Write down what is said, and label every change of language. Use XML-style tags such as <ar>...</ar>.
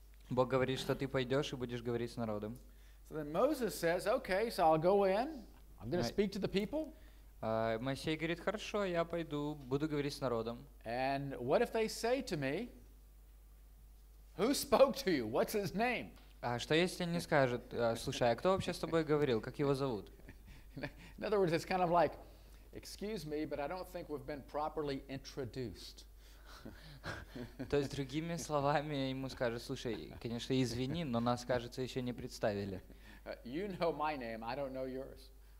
<ru>Бог говорит, что ты пойдешь и будешь говорить с народом.</ru> <en>So then Moses says, okay, so I'll go in. I'm going to speak to the people.</en> <ru>Моисей говорит, хорошо, я пойду, буду говорить с народом.</ru> <en>And what if they say to me, who spoke to you? What's his name?</en> <ru>А что если они скажут, слушай, а кто вообще с тобой говорил, как его зовут?</ru> <en>In other words, it's kind of like, excuse me, but I don't think we've been properly introduced.</en> <ru>То есть другими словами ему скажут, слушай, конечно, извини, но нас, кажется, еще не представили.</ru> <en>You know my name, I don't know yours.</en>